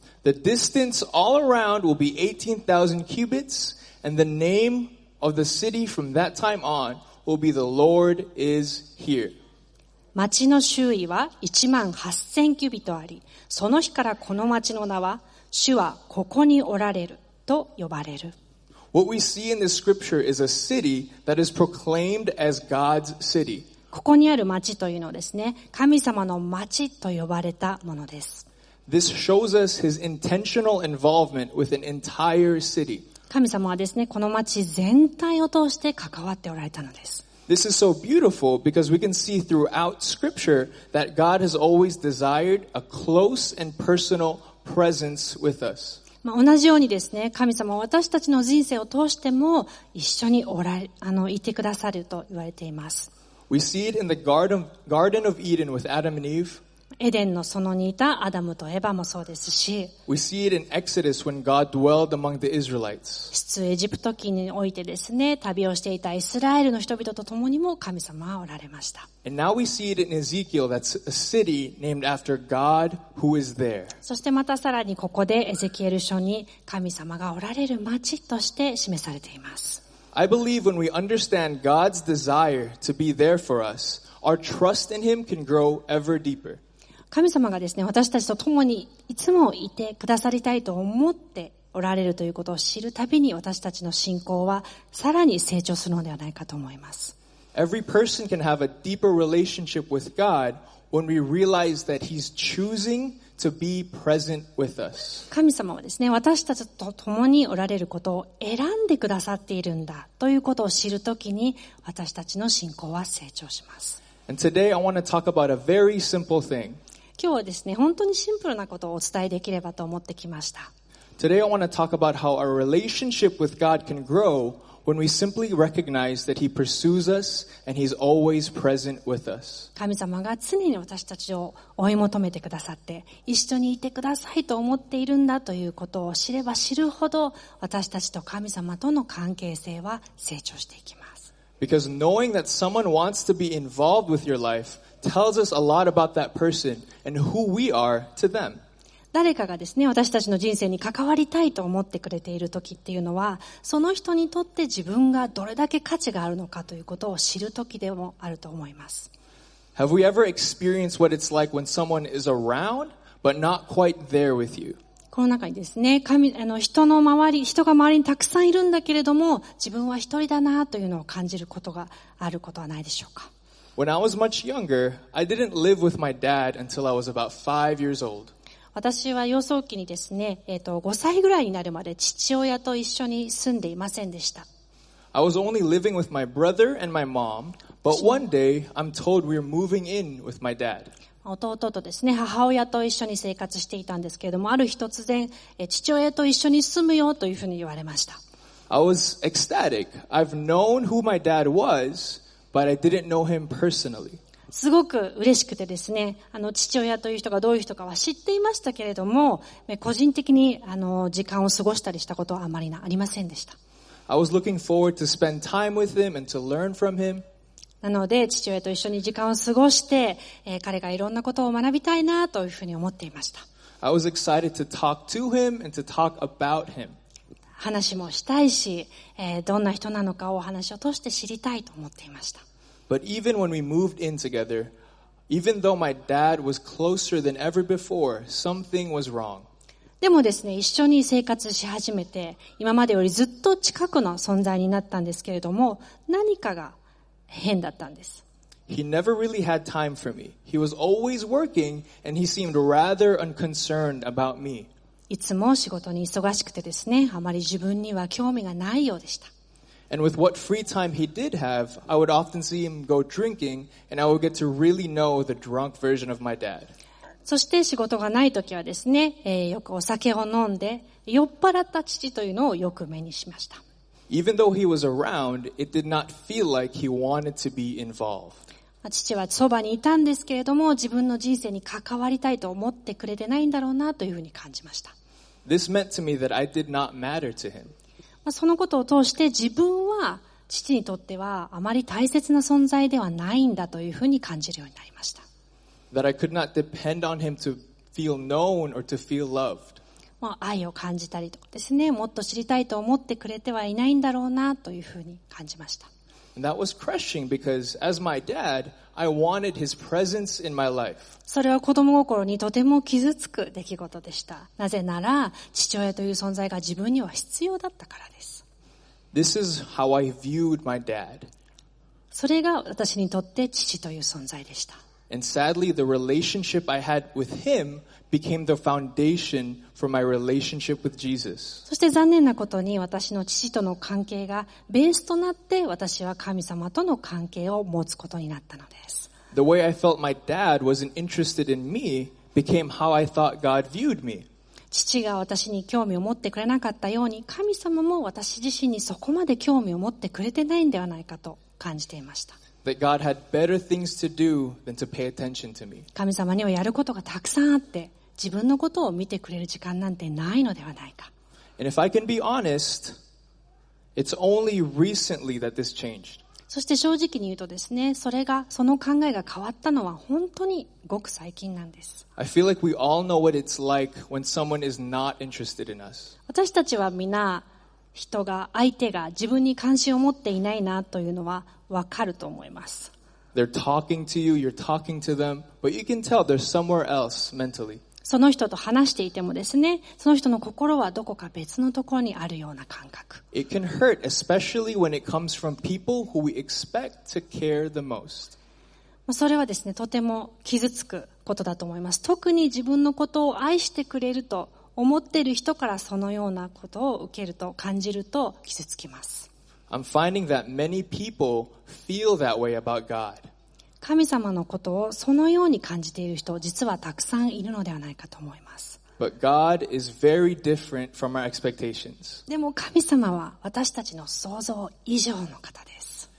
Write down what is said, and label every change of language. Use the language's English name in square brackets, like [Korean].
[English] The distance all around will be 18,000 cubits, and the name of the city from that time on will be the Lord is here. [Japanese] 町の周囲は18,000キュビットあり、その日からこの町の名は、主はここにおられると呼ばれる。 [English] What we see in this scripture is a city that is proclaimed as God's city. [Japanese] ここにある町というのですね、神様の町と呼ばれたものです。 [English] This shows us his intentional involvement with an entire city. [Japanese] 神様はですね、この町全体を通して関わっておられたのです。 [English] This is so beautiful because we can see throughout scripture that God has always desired a close and personal presence with us. [Japanese] 同じようにですね、神様は私たちの人生を通しても一緒にいてくださると言われています。 [English] We see it in the Garden of Eden with Adam and Eve. [Japanese] エデンの園にいたアダムとエバもそうですし、 [English] We see it in Exodus when God dwelled among the Israelites. [Japanese] 出エジプト記においてですね、旅をしていたイスラエルの人々と共にも神様はおられました。 [English] And now we see it in Ezekiel, that's a city named after God who is there. [Japanese] そしてまたさらにここでエゼキエル書に神様がおられる町として示されています。 [English] I believe when we understand God's desire to be there for us, our trust in Him can grow ever deeper. [Japanese] 神様がですね、私たちと共にいつもいてくださりたいと思っておられるということを知るたびに私たちの信仰はさらに成長するのではないかと思います。 [English] Every person can have a deeper relationship with God when we realize that He's choosing to be present with us. [Japanese] 神様はですね、私たちと共におられることを選んでくださっているんだということを知るときに、私たちの信仰は成長します。 [English] And today I want to talk about a very simple thing. [Japanese] 今日はですね、本当にシンプルなことをお伝えできればと思ってきました。 [English] Today I want to talk about how our relationship with God can grow when we simply recognize that He pursues us and He's always present with us. [Japanese] 神様が常に私たちを追い求めてくださって、一緒にいてくださいと思っているんだということを知れば知るほど、私たちと神様との関係性は成長していきます。 [English] Because knowing that someone wants to be involved with your life tells us a lot about that person and who we are to them. [Japanese] 誰かがですね、私たちの人生に関わりたいと思ってくれている時っていうのは、その人にとって自分がどれだけ価値があるのかということを知る時でもあると思います。 [English] Have we ever experienced what it's like when someone is around but not quite there with you? [Japanese] この中にですね、人が周りにたくさんいるんだけれども、自分は一人だなというのを感じることがあることはないでしょうか。 [English] When I was much younger, I didn't live with my dad until I was about 5 years old. [Japanese] 私は幼少期にですね、5歳ぐらいになるまで父親と一緒に住んでいませんでした。 [English] I was only living with my brother and my mom, but one day I'm told we're moving in with my dad. [Japanese] 弟とですね、母親と一緒に生活していたんですけれども、ある日突然、父親と一緒に住むよというふうに言われました。 [English] I was ecstatic. I've known who my dad was, but I didn't know him personally. [Japanese] すごく嬉しくてですね、父親という人がどういう人かは知っていましたけれども、個人的に時間を過ごしたりしたことはあまりありませんでした。 [English] I was looking forward to spend time with him and to learn from him. [Japanese] なので父親と一緒に時間を過ごして、彼がいろんなことを学びたいなというふうに思っていました。 [English] I was excited to talk to him and to talk about him. [Japanese] 話もしたいし、どんな人なのかをお話を通して知りたいと思っていました。 [English] But even when we moved in together, even though my dad was closer than ever before, something was wrong. [Japanese] でもですね、一緒に生活し始めて、今までよりずっと近くの存在になったんですけれども、何かが変だったんです。 [English] He never really had time for me. He was always working, and he seemed rather unconcerned about me. [Japanese] いつも仕事に忙しくてですね、あまり自分には興味がないようでした。 [English] And with what free time he did have, I would often see him go drinking, and I would get to really know the drunk version of my dad. [Japanese] そして仕事がない時はですね、よくお酒を飲んで酔っ払った父というのをよく目にしました。 [English] Even though he was around, it did not feel like he wanted to be involved. [Japanese] 父はそばにいたんですけれども、自分の人生に関わりたいと思ってくれてないんだろうなというふうに感じました。 [English] This meant to me that I did not matter to him. [Japanese] そのことを通して自分は父にとってはあまり大切な存在ではないんだというふうに感じるようになりました。 [English] That I could not depend on him to feel known or to feel loved. [Japanese] 愛を感じたりとかですね、もっと知りたいと思ってくれてはいないんだろうなというふうに感じました。 [English] That was crushing because as my dad, I wanted his presence in my life. [Japanese] それは子供心にとても傷つく出来事でした。なぜなら、父親という存在が自分には必要だったからです。 [English] This is how I viewed my dad. [Japanese] それが私にとって父という存在でした。 [English] And sadly, the relationship I had with him became the foundation for my relationship with Jesus. [Japanese] そして残念なことに私の父との関係がベースとなって私は神様との関係を持つことになったのです。 [English] The way I felt my dad wasn't interested in me became how I thought God viewed me. [Japanese] 父が私に興味を持ってくれなかったように神様も私自身にそこまで興味を持ってくれてないんではないかと感じていました。 [English] That God had better things to do than to pay attention to me. [Japanese] 神様にはやることがたくさんあって、自分のことを見てくれる時間なんてないのではないか。 [English] And if I can be honest, it's only recently that this changed. [Japanese] そして正直に言うとですね、その考えが変わったのは本当にごく最近なんです。 [English] I feel like we all know what it's like when someone is not interested in us. [Japanese] 私たちはみんな人が相手が自分に関心を持っていないなというのは分かると思います。 [English] They're talking to you, you're talking to them, but you can tell they're somewhere else mentally. [Japanese] その人と話していてもですね、その人の心はどこか別のところにあるような感覚。 [English] It can hurt, especially when it comes from people who we expect to care the most. [Japanese] それはですね、とても傷つくことだと思います。特に自分のことを愛してくれると思っている人からそのようなことを受けると感じると傷つきます。 [English] I'm finding that many people feel that way about God. [Japanese] 神様のことをそのように感じている人、実はたくさんいるのではないかと思います。 [English] But God is very different from our expectations. [Japanese] でも神様は私たちの想像以上の方です。